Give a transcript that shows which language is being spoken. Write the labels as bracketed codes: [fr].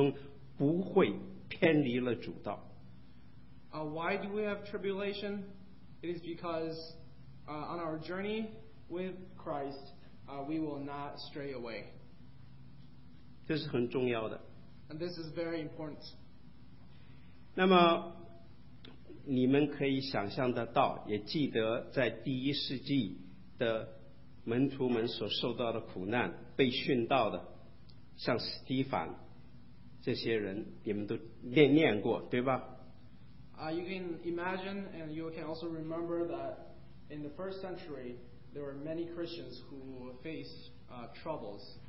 [zh] 就是让我们在跟随主的过程中的属灵的生命的成长的过程中不会偏离了主道。 [en] Why do we have tribulation? It is because on our journey with Christ, we will not stray away. [zh] 这是很重要的。 [en] And this is very important. [zh] 那么你们可以想象得到, 也记得在第一世纪的门徒们所受到的苦难, 被殉道的, 像斯蒂凡, 这些人, 你们都念过, 对吧? [en] You can imagine, and you can also remember that in the first century, there were many Christians who faced troubles.